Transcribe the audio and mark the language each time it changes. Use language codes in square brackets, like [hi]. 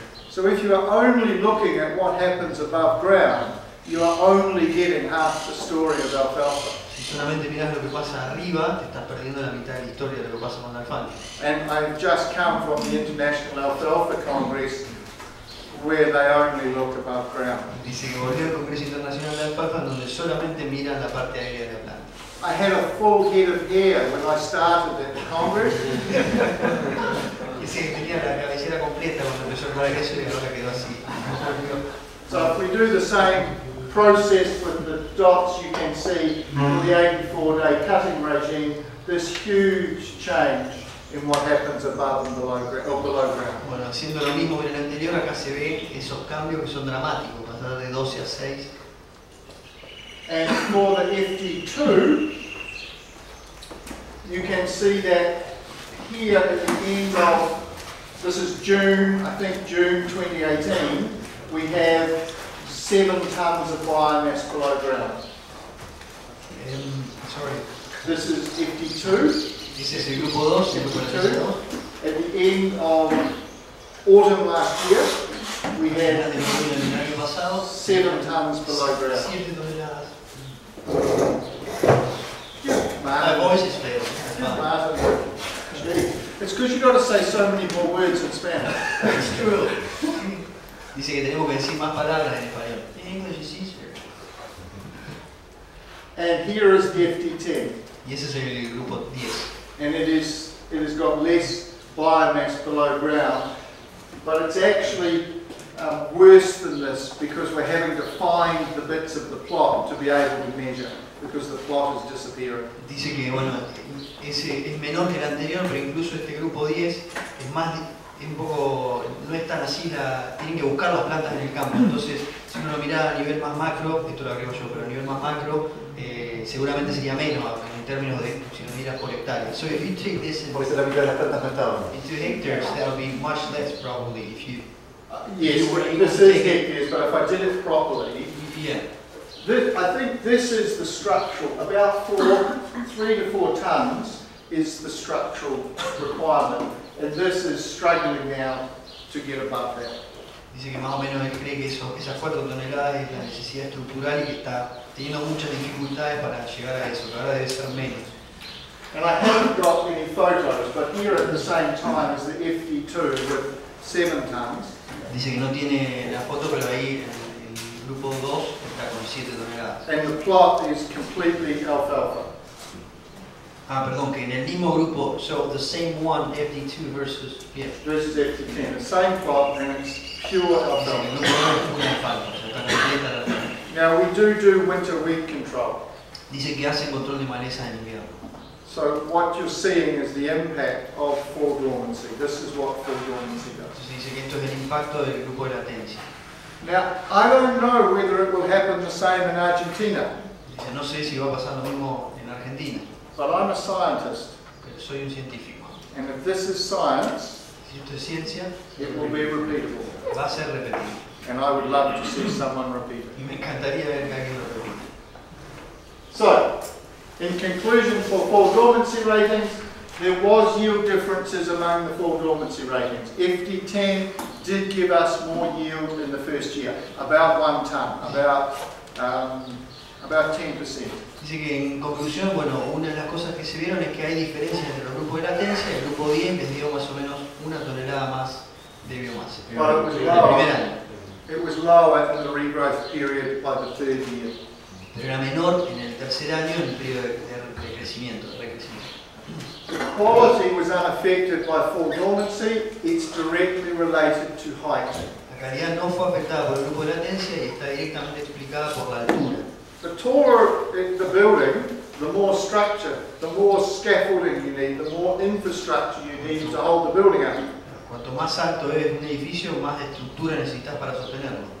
[en] So if you are only looking at what happens above ground, you are only getting half the story of alfalfa. [es] Si solamente miras lo que pasa arriba, te estás perdiendo la mitad de la historia de lo que pasa con la alfalfa. [en] And I've just come from the International Alfalfa Congress, where they only look above ground. [es] Dice que volví al Congreso Internacional de Alfalfa, donde solamente miras la parte aérea de la planta. [en] I had a full head of hair when I started at the Congress. [es] Sí, tenía la cabellera completa cuando empezó el Congreso y ahora quedó así. [en] So if we do the same process with the dots, you can see in the 84-day cutting regime, this huge change in what happens above and below ground. [es] Bueno, haciendo lo mismo que en el anterior, acá se ve esos cambios que son dramáticos, pasar de 12 a 6. [en] And for the FT2, you can see that here at the end of, this is June 2018, we have 7 tons of biomass below ground. Sorry. This is FT2. This is grupo 2, FT2. At the end of autumn last year, we had 7 tons below ground. [es] Siete toneladas. [en] My voice is failing. It's because you've got to say so many more words in Spanish. It's true. [es] Dice que tenemos que decir más palabras en español. [en] In English it's easier. And here is the FT10. [es] Y ese es el grupo 10. [en] And it has got less biomass below ground. But it's actually worse than this because we're having to find the bits of the plot to be able to measure. Because the plot is disappearing. [es] Dice que bueno, es menor que el anterior, pero incluso este grupo 10 es más, un poco, no es tan así, tienen que buscar las plantas en el campo. Entonces, si uno lo mira a nivel más macro, esto lo agrego yo, pero a nivel más macro, seguramente sería menos en términos de si lo miras por hectárea. [en] So if you take this, [es] porque se la mitad de las plantas faltaban. [en] In 2 hectares, that would be much less probably if you. Yes, this is hectares, but if I did it properly. Yeah. This, I think this is the structural, about three to four tons is the structural requirement, and this is struggling now to get above that. [es] Dice que más o menos él cree que eso, esas 4 toneladas es la necesidad estructural y que está teniendo muchas dificultades para llegar a eso, ahora debe ser menos. [en] And I haven't got any photos, but here at the same time is the FD2 with 7 tons. [es] Dice que no tiene la foto, pero ahí el grupo 2 está con 7 toneladas. [en] And the plot is completely alfalfa. [es] Ah, perdón, que en el mismo grupo, [en] so the same one, FD2 versus, yeah. Versus FD10, the same plot and it's pure alfalfa. Now we do do winter weed control. [es] Dice que hace control de maleza en invierno. [en] So what you're seeing is the impact of full dormancy. This is what full dormancy does. [es] Dice que esto es el impacto del grupo de latencia. [en] Now, I don't know whether it will happen the same in Argentina. [es] Dice, no sé si va a pasar lo mismo en Argentina. [en] But I'm a scientist. [es] Pero soy un científico. [en] And if this is science, [es] si esto es ciencia, [en] it will be repeatable. [es] Va a ser repetible. [en] And I would love to see someone repeat it. [es] Y me encantaría ver que alguien lo repita. [en] So, in conclusion, for full dormancy ratings, there was yield differences among the full dormancy ratings. FD10 did give us more yield in the first year, about 1 ton, about 10%. [es] Dice que en conclusión, bueno, una de las cosas que se vieron es que hay diferencias entre los grupos de latencia. El grupo 10 les dio más o menos una tonelada más de biomasa. [en] But it was lower. It was lower in the regrowth period by the third year. [es] Pero era menor en el tercer año en el periodo de recrecimiento, recrecimiento. [en] The quality was unaffected by full dormancy, it's directly related to height. [es] La calidad no fue afectada por el grupo de latencia y está directamente explicada por la altura. [en] The taller the building, the more structure, the more scaffolding you need, the more infrastructure you need to hold the building up. [es] Cuanto más alto es un edificio, más estructura necesitas para sostenerlo.